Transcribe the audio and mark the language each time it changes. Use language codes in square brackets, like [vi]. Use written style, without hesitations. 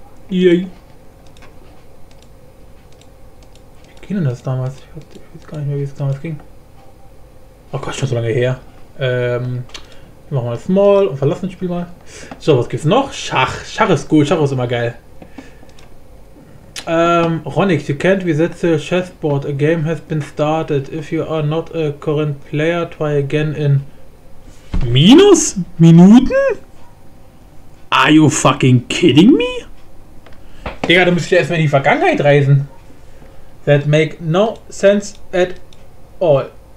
[de] Yay. Wie ging denn das damals? Ich weiß gar nicht mehr, wie es damals ging. Oh Gott, schon so lange her. Wir machen mal Small und verlassen das Spiel mal. So, was gibt's noch? Schach. Schach ist cool. Schach ist immer geil. [en] Ronix, you can't reset the chessboard. A game has been started. If you are not a current player, try again in minus Minuten? Are you fucking kidding me? [de] Digga, du müsstest ja erstmal in die Vergangenheit reisen. [en] That make no sense at all.